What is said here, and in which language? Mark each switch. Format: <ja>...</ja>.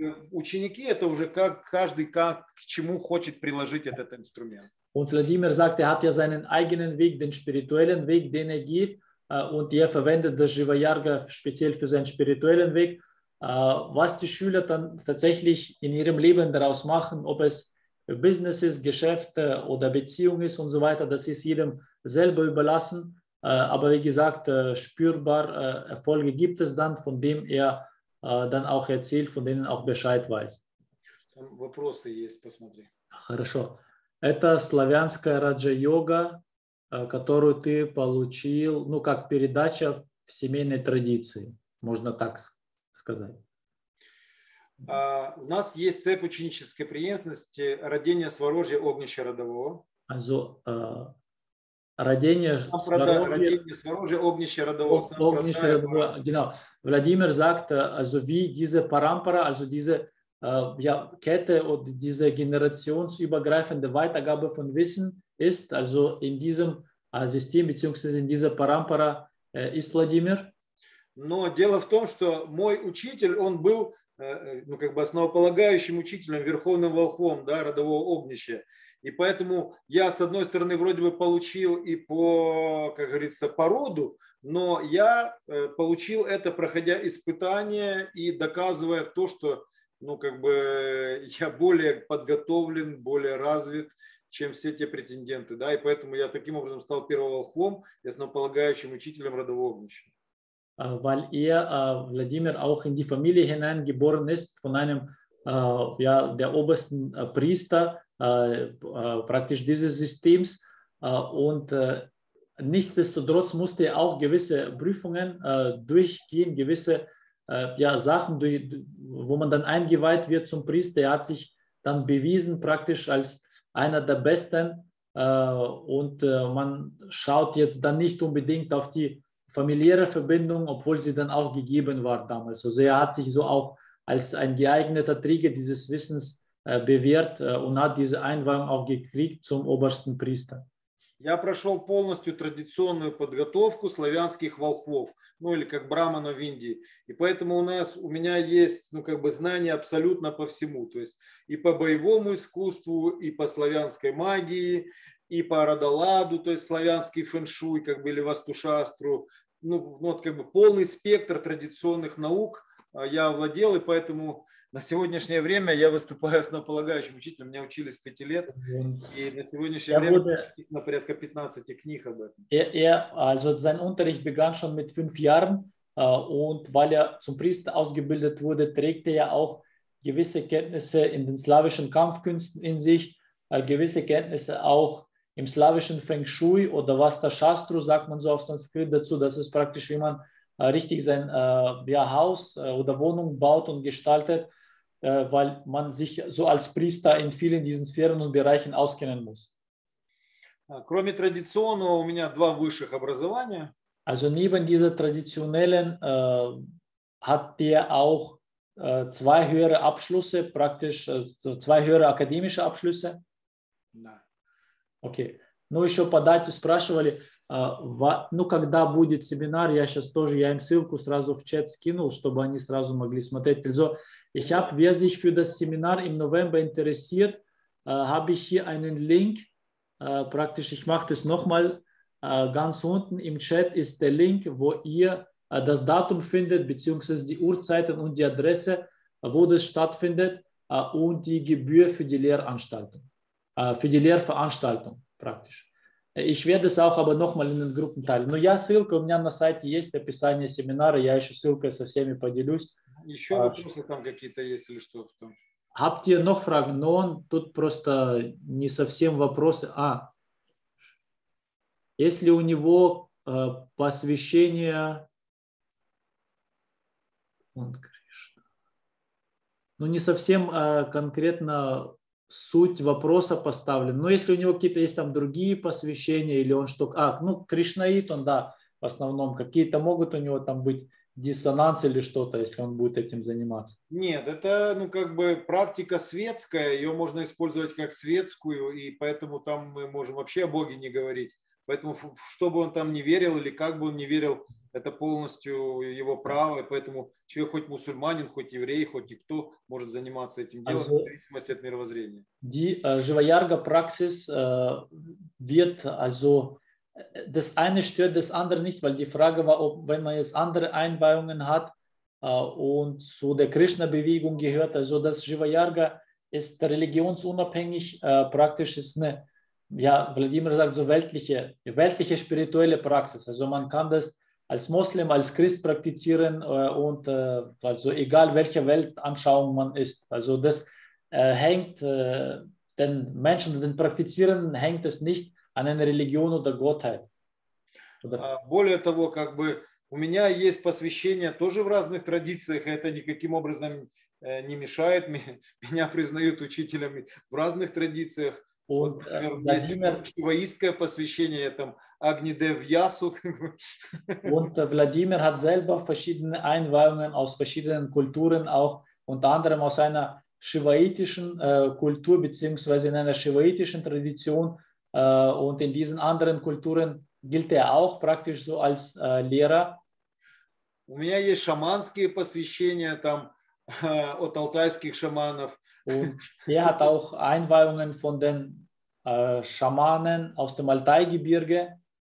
<ru>Ученики это уже как каждый как к чему хочет приложить этот инструмент.</ru> <de>Und Vladimir sagt, er hat ja seinen eigenen Weg, den spirituellen Weg, den er geht, und er verwendet das Живоярга speziell für seinen spirituellen Weg. Was die Schüler dann tatsächlich in ihrem Leben daraus machen, ob es Business ist, Geschäfte oder Beziehung ist und so weiter, das ist jedem selber überlassen. Aber wie gesagt, spürbar Erfolge gibt es dann, von dem er dann auch erzählt, von denen auch Bescheid weiß.</de> <ru>Там вопросы есть, посмотри. Хорошо. Это славянская раджа-йога, которую ты получил, ну, как передача в семейной традиции, можно так сказать. У нас есть цепь ученической преемственности, родение сварожья огнища родового. Also, родение сварожья огнища родового. Огнища родового, genau.</ru> <de>Владимир sagt, also, wie diese парампара, also, diese ja, Kette und diese generationsübergreifende Weitergabe von Wissen ist, also in diesem System beziehungsweise in dieser Parampara ist Vladimir.</de> <ru>Но дело в том, что мой учитель, он был, ну как бы основополагающим учителем, верховным волхвом, да, родового огнища. И поэтому я с одной стороны вроде бы получил и по, как говорится, по роду, но я получил это проходя испытания и доказывая то, что ну, как бы я более подготовлен, более развит, чем все те претенденты, да, и поэтому я таким образом стал первым волхвом и основополагающим учителем родового огнища.</ru> <de>Weil er, Владимир, auch in die Familie hineingeboren ist von einem, ja, der obersten Priester praktisch dieses Systems und nichtsdestotrotz musste er auch gewisse Prüfungen durchgehen, gewisse ja, Sachen, wo man dann eingeweiht wird zum Priester, er hat sich dann bewiesen praktisch als einer der Besten und man schaut jetzt dann nicht unbedingt auf die familiäre Verbindung, obwohl sie dann auch gegeben war damals. Also er hat sich so auch als ein geeigneter Träger dieses Wissens bewährt und hat diese Einweihung auch gekriegt zum obersten Priester.</de> <ru>Я прошел полностью традиционную подготовку славянских волхвов, ну или как брахмана в Индии. И поэтому у меня есть, ну как бы знания абсолютно по всему. То есть и по боевому искусству, и по славянской магии, и по родоладу, то есть славянский фэншуй, как бы или вастушастру. Ну, ну вот как бы полный спектр традиционных наук я овладел, и поэтому на сегодняшнее время я выступаю основополагающим учителем. Меня учили с 5 лет, и на сегодняшнее время написано порядка 15 книг об этом.</ru> <de>Also sein Unterricht begann schon mit 5 Jahren, und weil zum Priester ausgebildet wurde, trägt auch gewisse Kenntnisse in den slawischen Kampfkünsten in sich, gewisse Kenntnisse auch im slawischen Feng Shui oder Vastashastru, sagt man so auf Sanskrit dazu, das ist praktisch, wie man richtig sein ja, Haus oder Wohnung baut und gestaltet, weil man sich so als Priester in vielen diesen Sphären und Bereichen auskennen muss.</de> <ru>Кроме традиционного, у меня два высших образования.</ru> <de>Also neben dieser traditionellen hat der auch zwei höhere Abschlüsse, praktisch zwei höhere akademische Abschlüsse. Nein. Okay.</de> <ru>Ну, еще по дате спрашивали, ну, когда будет семинар, я сейчас тоже, я им ссылку сразу в чат скинул, чтобы они сразу могли смотреть.</ru> <de>Also, ich habe, wer sich für das Seminar im November interessiert, habe ich hier einen Link, praktisch, ich mache das nochmal, ganz unten im Chat ist der Link, wo ihr das Datum findet, beziehungsweise die Uhrzeiten und die Adresse, wo das stattfindet. und die Gebühr für die Lehranstaltung, für die Lehrveranstaltung praktisch. Ich werde es auch aber nochmal in den Gruppen teilen.</de> <ru>Но я ссылка у меня на сайте есть, описание семинара, я еще ссылкой со всеми поделюсь. Еще вопросы там какие-то есть или что?</ru> <de>Habt ihr noch Fragen?</de> <ru>Но он тут просто не совсем вопросы. А, если у него посвящение... Ну, не совсем конкретно суть вопроса поставлен. Но если у него какие-то есть там другие посвящения, или он что-то... А, ну, кришнаит он, да, в основном. Какие-то могут у него там быть диссонанс или что-то, если он будет этим заниматься? Нет, это, ну, как бы практика светская. Ее можно использовать как светскую, и поэтому там мы можем вообще о Боге не говорить. Поэтому, что бы он там не верил или как бы он не верил, это полностью его право, и поэтому человек, хоть мусульманин, хоть еврей, хоть и кто, может заниматься этим делом, also, в зависимости от мировоззрения.</ru> <de>Die живоярга praxis wird, also, das eine stört das andere nicht, weil die Frage war, ob, wenn man jetzt andere Einweihungen hat und zu der Krishna-Bewegung gehört, also das живоярга ist religionsunabhängig, praktisch ist eine, ja, Vladimir sagt so weltliche spirituelle Praxis, also man kann das als Muslim, als Christ praktizieren und also egal welche Weltanschauung man ist, also das hängt den Menschen, den Praktizierenden hängt es nicht an einer Religion oder Gottheit. Oder?</de> <ru>Более того, как бы у меня есть посвящение тоже в разных традициях, это никаким образом не мешает, меня признают учителями в разных традициях.</ru> <de>Und, und Vladimir hat selber verschiedene Einweihungen aus verschiedenen Kulturen, auch unter anderem aus einer shivaitischen Kultur beziehungsweise in einer shivaitischen Tradition. Und in diesen anderen Kulturen gilt er auch praktisch so als Lehrer.</de> <ru>У меня есть шаманские посвящения там от алтайских шаманов.</ru> <de>Und er hat auch Einweihungen von den Schamanen aus dem Altai-Gebirge.</de>